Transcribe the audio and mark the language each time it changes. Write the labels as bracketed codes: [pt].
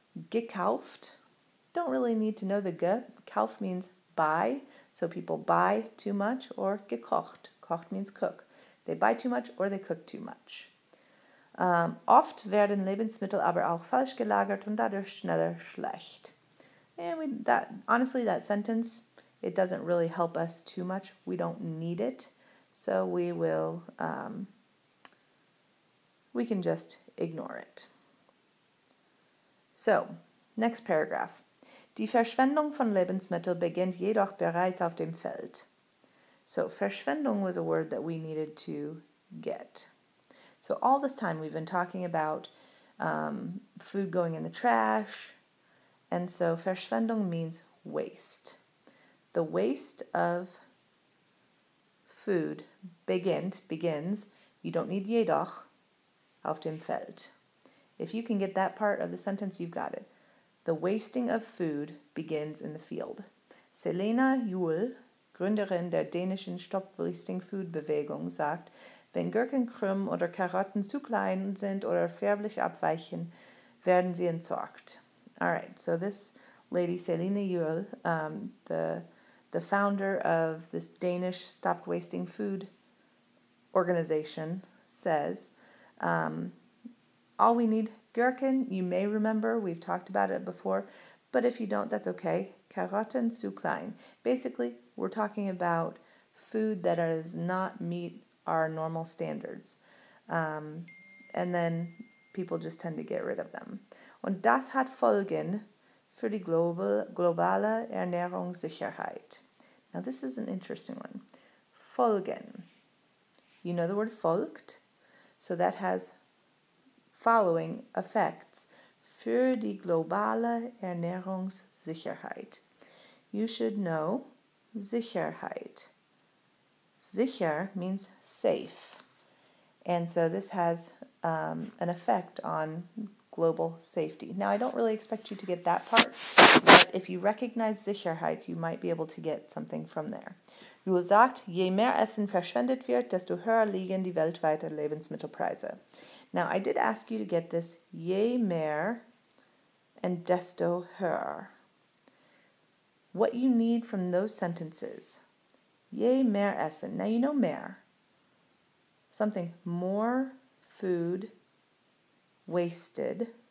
[en] Gekauft, don't really need to know the ge. Kauf means buy, so people buy too much, or gekocht. Kocht means cook. They buy too much or they cook too much. [de] Oft werden Lebensmittel aber auch falsch gelagert und dadurch schneller schlecht. [en] And we, that honestly, that sentence, it doesn't really help us too much. We don't need it. So we will, we can just ignore it. So, next paragraph. [de] Die Verschwendung von Lebensmitteln beginnt jedoch bereits auf dem Feld. [en] So, Verschwendung was a word that we needed to get. So all this time we've been talking about food going in the trash. And so Verschwendung means waste. The waste of food begins, you don't need jedoch, [de] auf dem Feld. [en] If you can get that part of the sentence, you've got it. The wasting of food begins in the field. [de] Selena Juhl, Gründerin der dänischen Stop Wasting Food Bewegung, sagt, wenn Gurkenkrümmen oder Karotten zu klein sind oder färblich abweichen, werden sie entsorgt. [en] All right, so this lady, Selena Juhl, the founder of this Danish Stop Wasting Food organization, says, all we need, gherkin, you may remember, we've talked about it before, but if you don't, that's okay. Karotten zu klein. Basically, we're talking about food that does not meet our normal standards. And then people just tend to get rid of them. [de] Und das hat Folgen für die globale Ernährungssicherheit. [en] Now this is an interesting one. Folgen. You know the word folgt? So that has following effects [de] für die globale Ernährungssicherheit. [en] You should know Sicherheit. Sicher means safe. And so this has an effect on global safety. Now, I don't really expect you to get that part, but if you recognize Sicherheit, you might be able to get something from there. [de] Juhl sagt, je mehr Essen verschwendet wird, desto höher liegen die weltweiten Lebensmittelpreise. [en] Now, I did ask you to get this je mehr and desto höher. What you need from those sentences, [de] je mehr Essen. [en] Now, you know mehr. Something more food wasted.